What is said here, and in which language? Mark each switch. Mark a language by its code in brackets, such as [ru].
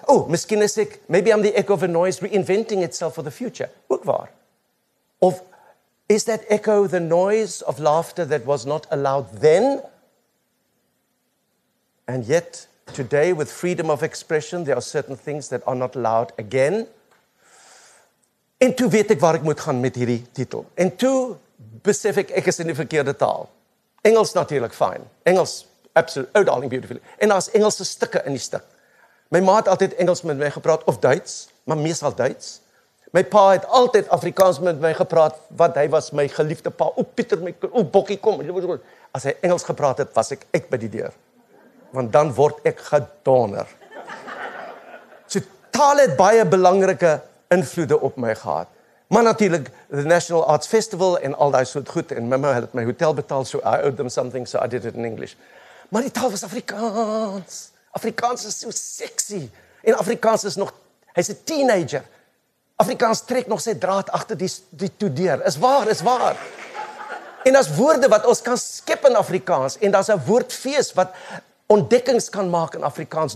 [af] Oh, miskien is ek, [en] maybe I'm the echo of a noise reinventing itself for the future. [af] Ook waar. [en] Of is that echo the noise of laughter that was not allowed then? And yet, today, with freedom of expression, there are certain things that are not allowed again. [af] En toe weet ek waar ek moet gaan met hierdie titel. En toe besef ek is in die verkeerde taal. Engels natuurlik, fine. [en] Engels, absolutely, oh darling, beautifully. [af] En daar is Engelse stikke in die stik. My ma het altyd Engels met my gepraat, of Duits, maar meestal Duits. My pa het altyd Afrikaans met my gepraat, want hy was my geliefde pa. O, Pieter, my kind, o, Bokkie, kom. As hy Engels gepraat het, was ek uit by die deur. Want dan word ek gedonder. So, taal het baie belangrike invloede op my gehad. Maar natuurlik, the National Arts Festival en al die soort goed. En mama had my hotel betaal, [en] so I owed them something, so I did it in English. [af] Maar die taal was Afrikaans. Afrikaans is so sexy. En Afrikaans is nog, hy's 'n teenager. Afrikaans trek nog sy draad achter die toedeur. Is waar, is waar. En daar's woorde wat ons kan skep in Afrikaans. En daar's 'n woordfees wat ontdekkings kan maak in Afrikaans.